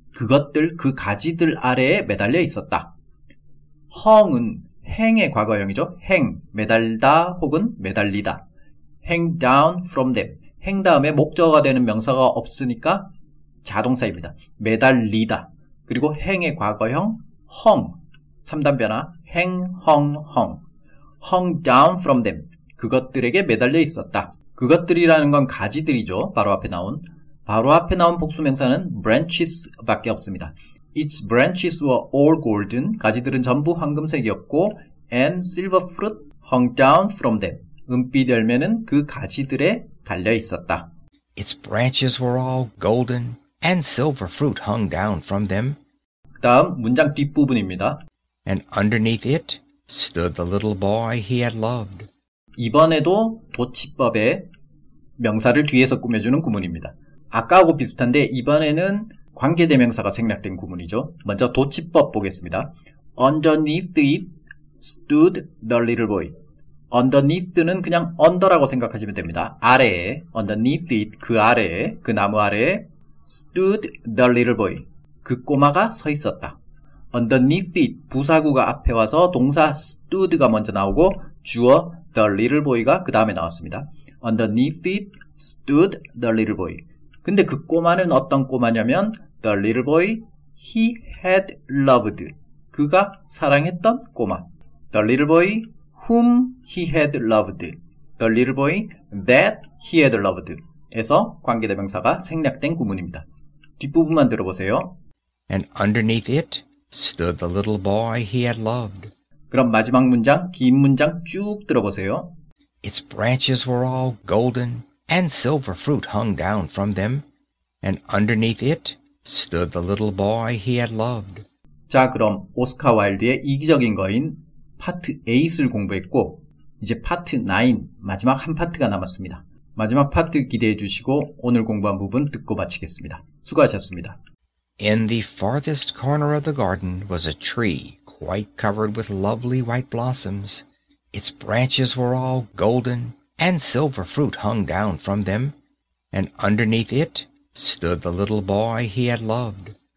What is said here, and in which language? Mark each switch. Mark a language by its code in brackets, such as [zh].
[ko] 그것들, 그 가지들 아래에 매달려 있었다. hung은 hang의 과거형이죠. hang, 매달다 혹은 매달리다. [en] hang down from them. [ko] hang 다음에 목적어가 되는 명사가 없으니까 자동사입니다. 매달리다. 그리고 hang의 과거형 hung, 3단 변화 hang, hung, hung. [en] hung down from them. [ko] 그것들에게 매달려 있었다. 그것들이라는 건 가지들이죠. 바로 앞에 나온. 바로 앞에 나온 복수명사는 branches밖에 없습니다. [en] Its branches were all golden. 가지들은 전부 황금색이었고 and silver fruit hung down from them. [ko] 은빛 열매는 그 가지들에 달려 있었다. [en] Its branches were all golden and silver fruit hung down from them. [ko] 그 다음 문장 뒷부분입니다. [en] And underneath it stood the little boy he had loved. [ko] 이번에도 도치법에 명사를 뒤에서 꾸며주는 구문입니다. 아까하고 비슷한데 이번에는 관계대명사가 생략된 구문이죠. 먼저 도치법 보겠습니다. [en] Underneath it stood the little boy. [ko] Underneath는 그냥 under라고 생각하시면 됩니다. 아래에, [en] underneath it, [ko] 그 아래에, 그 나무 아래에 [en] stood the little boy. [ko] 그 꼬마가 서 있었다. [en] Underneath it, 부사구가 앞에 와서 동사 stood가 먼저 나오고 주어 the little boy가 그 다음에 나왔습니다. Underneath it stood the little boy. [ko] 근데 그 꼬마는 어떤 꼬마냐면 [en] The little boy he had loved. [ko] 그가 사랑했던 꼬마. [en] The little boy whom he had loved. The little boy that he had loved. [ko] 에서 관계대명사가 생략된 구문입니다. 뒷부분만 들어보세요. [en] And underneath it stood the little boy he had loved. [ko] 그럼 마지막 문장, 긴 문장 쭉 들어보세요. [en] Its branches were all golden, and silver fruit hung down from them. And underneath it stood the little boy he had loved. [ko] 자, 그럼 오스카 와일드의 이기적인 거인 파트 8을 공부했고, 이제 파트 9, 마지막 한 파트가 남았습니다. 마지막 파트 기대해 주시고, 오늘 공부한 부분 듣고 마치겠습니다. 수고하셨습니다. [en] In the farthest corner of the garden was a tree, quite covered with lovely white blossoms. Its branches were all golden, and silver fruit hung down from them. And underneath it stood the little boy he had loved.